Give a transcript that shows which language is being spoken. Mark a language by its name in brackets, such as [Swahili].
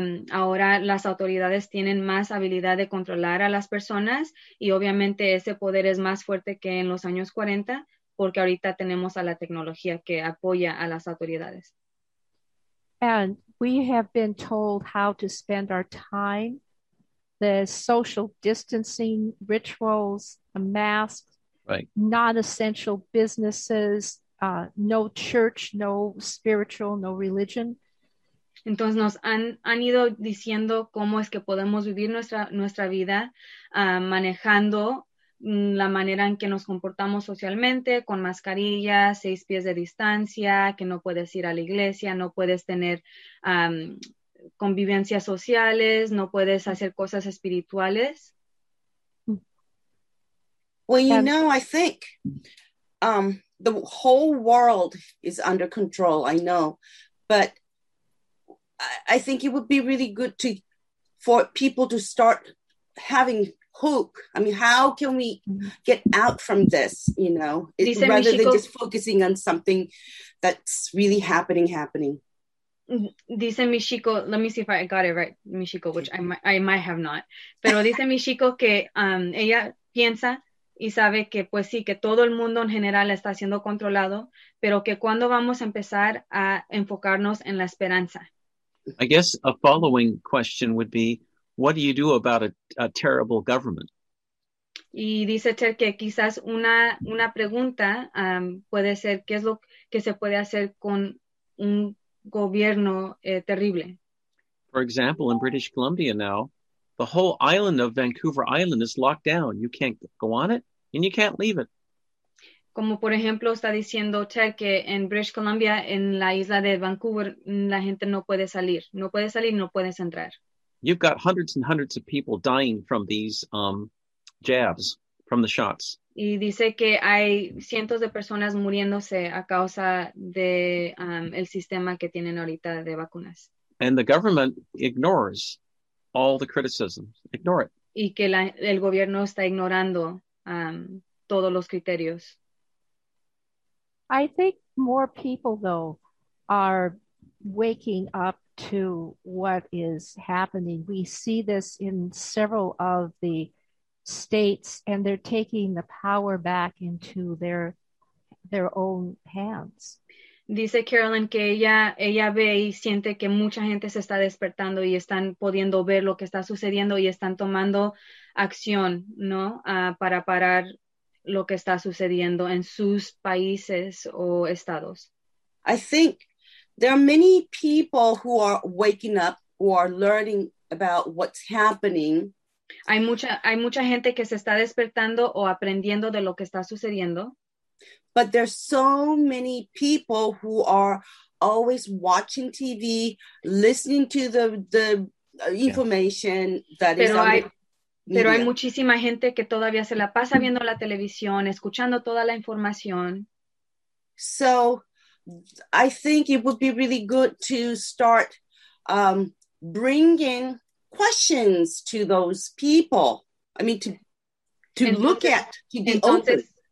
[Spanish] Ahora las autoridades tienen más habilidad de controlar a las personas y obviamente ese poder es más fuerte que en los años 40 porque ahorita tenemos a la tecnología que apoya a las autoridades. [English] And we have been told how to spend our time. The social distancing rituals, the masks, right. Non-essential businesses, no church, no spiritual, no religion. [Spanish] Entonces nos han ido diciendo cómo es que podemos vivir nuestra vida manejando la manera en que nos comportamos socialmente, con mascarilla, 6 pies de distancia, que no puedes ir a la iglesia, no puedes tener convivencias sociales, no puedes hacer cosas espirituales. [English] Well, you know, I think the whole world is under control, I know, but I think it would be really good for people to start having hope? I mean, how can we get out from this, you know, rather than just focusing on something that's really happening? [Spanish] Dice mi chico, [English] let me see if I got it right, [Spanish] mi chico, [English] which I might have not. [Spanish] Pero dice mi chico que ella piensa y sabe que pues sí, que todo el mundo en general está siendo controlado, pero que cuando vamos a empezar a enfocarnos en la esperanza. [English] I guess a following question would be, what do you do about a terrible government? [Spanish] Y dice Ter que quizás una pregunta puede ser, ¿qué es lo que se puede hacer con un gobierno terrible? [English] For example, in British Columbia now, the whole island of Vancouver Island is locked down. You can't go on it and you can't leave it. [Spanish] Como por ejemplo está diciendo Ter que en British Columbia, en la isla de Vancouver, la gente no puede salir. No puede salir, no puedes entrar. [English] You've got hundreds and hundreds of people dying from these jabs, from the shots. [Spanish] Y dice que hay cientos de personas muriéndose a causa de el sistema que tienen ahorita de vacunas. [English] And the government ignores all the criticisms. Ignore it. [Spanish] Y que el gobierno está ignorando todos los criterios. [English] I think more people, though, are waking up to what is happening. We see this in several of the states, and they're taking the power back into their own hands. [Spanish] Dice Carolyn que ella ve y siente que mucha gente se está despertando y están pudiendo ver lo que está sucediendo y están tomando acción, ¿no? Para parar lo que está sucediendo en sus países o estados. [English] I think there are many people who are waking up, who are learning about what's happening. [Spanish] Hay mucha gente que se está despertando o aprendiendo de lo que está sucediendo. [English] But there's so many people who are always watching TV, listening to the information that [Spanish] pero [English] is on [Spanish] hay, [English] the media. [Spanish] Pero hay muchísima gente que todavía se la pasa viendo la televisión, escuchando toda la información. [English] So I think it would be really good to start bringing questions to those people. I mean, to look at, to be open.